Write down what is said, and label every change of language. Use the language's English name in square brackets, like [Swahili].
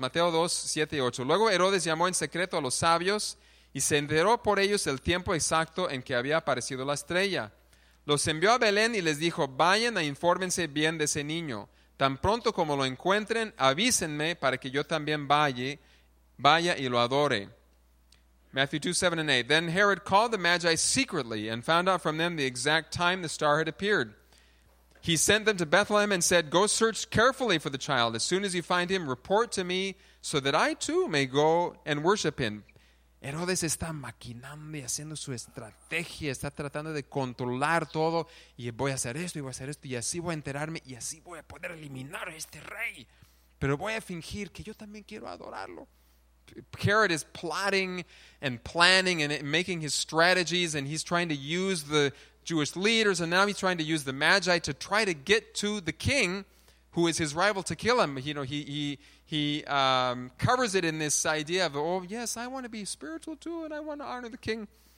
[Spanish] Mateo 2, 7 y 8. Luego Herodes llamó en secreto a los sabios y se enteró por ellos el tiempo exacto en que había aparecido la estrella. Los envió a Belén y les dijo, vayan e infórmense bien de ese niño. Tan pronto como lo encuentren, avísenme para que yo también vaya y lo adore. [English] Matthew 2, 7 and 8. Then Herod called the Magi secretly and found out from them the exact time the star had appeared. He sent them to Bethlehem and said, go search carefully for the child. As soon as you find him, report to me so that I too may go and worship him. [Spanish] Herodes está maquinando y haciendo su estrategia. Está tratando de controlar todo. Y voy a hacer esto y voy a hacer esto. Y así voy a enterarme. Y así voy a poder eliminar a este rey. Pero voy a fingir que yo también quiero adorarlo. [English] Herod is plotting and planning and making his strategies, and he's trying to use the Jewish leaders, and now he's trying to use the Magi to try to get to the king, who is his rival, to kill him. You know, he covers it in this idea of, oh yes, I want to be spiritual too, and I want to honor the king.